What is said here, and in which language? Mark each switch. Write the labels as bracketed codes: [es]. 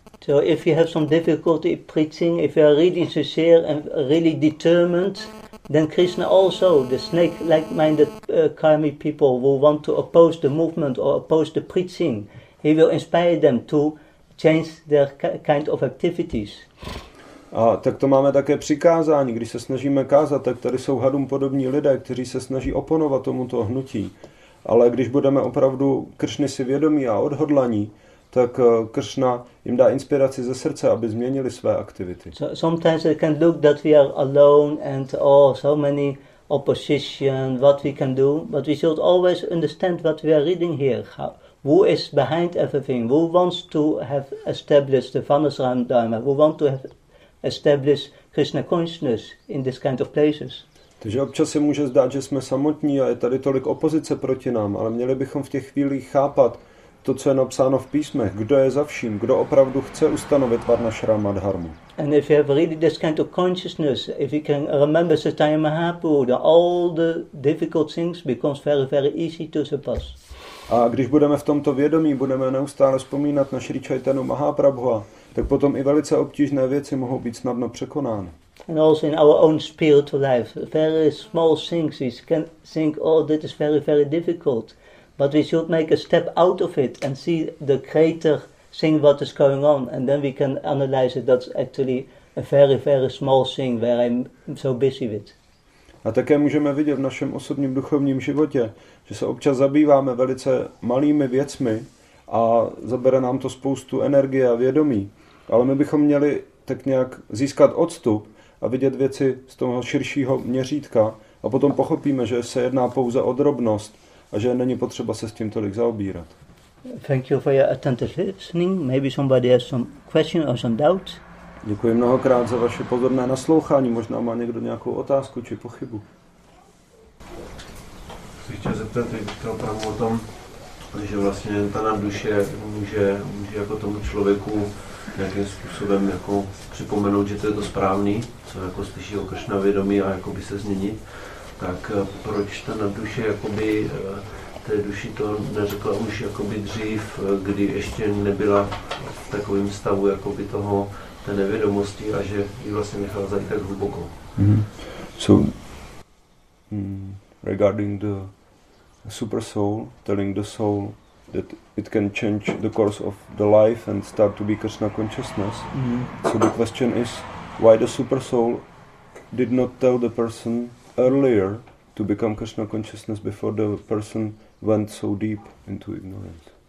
[en] So if you have some difficulty preaching, if you are really sincere and really determined, then Krishna also, the snake, like-minded karmic people who want to oppose the movement or oppose the preaching, he will inspire them to change their kind of activities. [cs] A tak to máme také přikázání, když se snažíme kázat, tak tady jsou hadům podobní lidé, kteří se snaží oponovat tomuto hnutí. Ale když budeme opravdu Kršny si vědomí a odhodlaní, tak Kršna jim dá inspiraci ze srdce, aby změnili své aktivity. [en] So, sometimes they can look that we are alone and oh, so many opposition, what we can do, but we should always understand what we are reading here. How, who is behind everything? Who wants to have established the Vanasram Dharma? Who wants to have established Krishna consciousness in this kind of places? [cs] Takže občas se může zdát, že jsme samotní a je tady tolik opozice proti nám, ale měli bychom v těch chvílích chápat to, co je napsáno v písmech, kdo je za vším, kdo opravdu chce ustanovit Varnashrama Dharmu. [en] And if you have really this kind of consciousness, if you can remember Satya Mahaprabhu, all the difficult things becomes very, very easy to surpass. [cs] A když budeme v tomto vědomí, budeme neustále vzpomínat na Sri Chaitanu Mahaprabhu, tak potom i velice obtížné věci mohou být snadno překonány. [en] And also in our own spiritual life, very small things we can think, oh, that is very, very difficult. But we should make a step out of it and see the greater thing what is going on. And then we can analyze it. That's actually a very, very small thing where I'm so busy with. [cs] A také můžeme vidět v našem osobním duchovním životě, že se občas zabýváme velice malými věcmi a zabere nám to spoustu energie a vědomí. Ale my bychom měli tak nějak získat odstup a vidět věci z toho širšího měřítka a potom pochopíme, že se jedná pouze o drobnost a že není potřeba se s tím tolik zaobírat. [en] Thank you for your attentive listening. Maybe somebody has some question or some doubt. [cs] Děkuji mnohokrát za vaše pozorné naslouchání. Možná má někdo nějakou otázku či pochybu. Chci chtěl zeptat, jak to opravdu o tom, že vlastně ta na duše může jako tomu člověku nějakým způsobem jako připomenout, že to je to správný, co jako slyší o Kršna vědomí a jako by se změnit, tak proč ta nadduše jakoby té duši to neřekla už jakoby dřív, kdy ještě nebyla v takovém stavu jakoby toho té nevědomosti a že ji vlastně nechala zajít tak hluboko. Mm-hmm. [en] So, regarding the super soul, telling the soul that it can change the course of the life and start to be Krishna consciousness. Mm-hmm. So the question is, why the super soul did not tell the person earlier to become Krishna consciousness before the person went so deep into ignorance?